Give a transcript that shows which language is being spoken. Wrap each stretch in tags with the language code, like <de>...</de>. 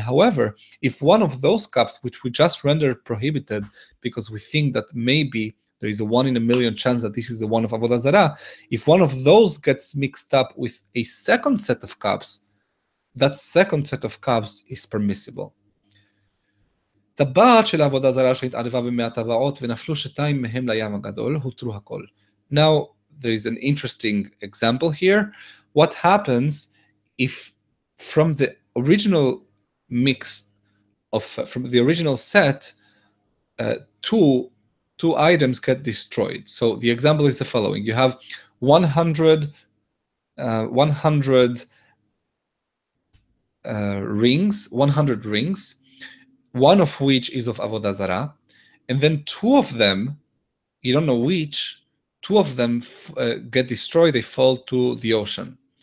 <en>However, if one of those cups, which we just rendered prohibited because we think that maybe there is a one in a million chance that this is the one of avodah zarah, if one of those gets mixed up with a second set of cups, that second set of cups is permissible.</en> <he>טבעת של עבודה זרה שהתערבה במאה טבעות ונפלו שתיים מהם לים הגדול, הותרו הכל.</he> <en>Now, there is an interesting example here. What happens if from the original mix of, from the original set, two items get destroyed? So the example is the following. You have 100 rings, one of which is of avodah zarah, and then two of them, you don't know which, two of them get destroyed, they fall to the ocean.</en>